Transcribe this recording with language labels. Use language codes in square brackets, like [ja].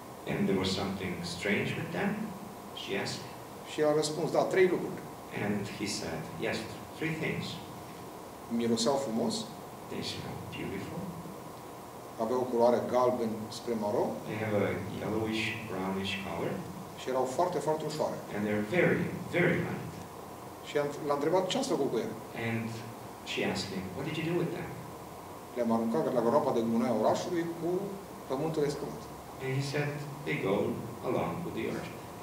[en] And there was something strange with them, she asked. [ro] Și a răspuns, da, trei lucruri. [en] And he said, yes, three things. [ro] Miroseau frumos. [en] They smell beautiful. [ro] Aveau o culoare galben spre maro. [en] They have a yellowish, brownish color. [ro] Și erau foarte, foarte ușoare. [en] And they're very, very light. [ro] Și l-a întrebat ce-a făcut cu ele. [en] And she asked him, what did you do with them? [ro] Le-am aruncat la groapa de gunoi a orașului cu pământul escurat. [en] And he said, they go along with the earth.